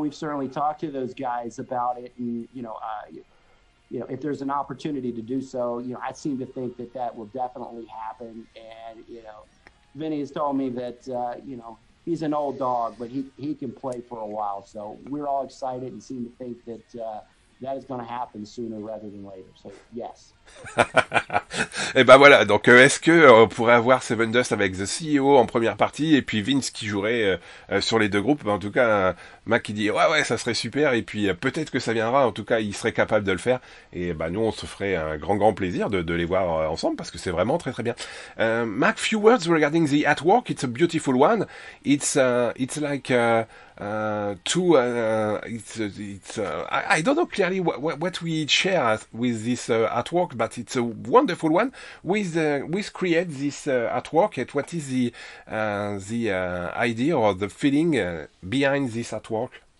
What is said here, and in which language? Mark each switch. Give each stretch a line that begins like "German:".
English: We've certainly talked to those guys about it, and you know, if there's an opportunity to do so, you know, I seem to think that will definitely happen. And you know, Vinny has told me that he's an old dog, but he can play for a while. So we're all excited and seem to think that that is going to happen sooner rather than later. So yes.
French: Et ben voilà. Donc est-ce que on pourrait avoir Seven Dust avec The CEO en première partie et puis Vince qui jouerait sur les deux groupes? Ben, en tout cas, Mac qui dit ouais ça serait super, et puis peut-être que ça viendra. En tout cas, il serait capable de le faire, et ben nous on se ferait un grand plaisir de les voir ensemble, parce que c'est vraiment très très bien.
English: Mac, few words regarding the artwork. It's a beautiful one. I don't know clearly what we share with this artwork, but it's a wonderful one. With create this artwork, and what is the idea or the feeling behind this artwork?